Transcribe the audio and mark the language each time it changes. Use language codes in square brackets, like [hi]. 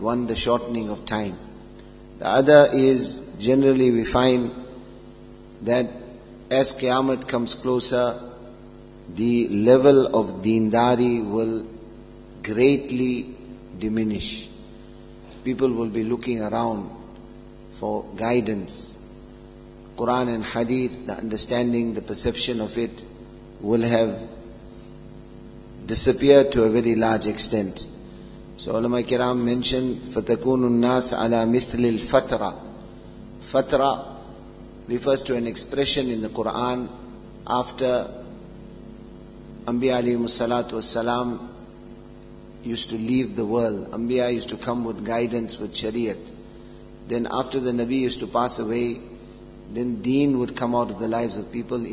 [en] One, the shortening of time. The other is, generally we find that as Qiyamat comes closer, the level of Deendari will greatly diminish. People will be looking around for guidance. Quran and Hadith, the understanding, the perception of it, will have disappeared to a very large extent. So ulama kiram mentioned, [ar] فَتَكُونُ النَّاسَ عَلَى مِثْلِ الْفَتْرَ. [en] Fatra refers to an expression in the Quran after Anbiya alayhi salatu wassalam used to leave the world. Anbiya used to come with guidance, with Shariat. Then after the Nabi used to pass away, then deen would come out of the lives of people.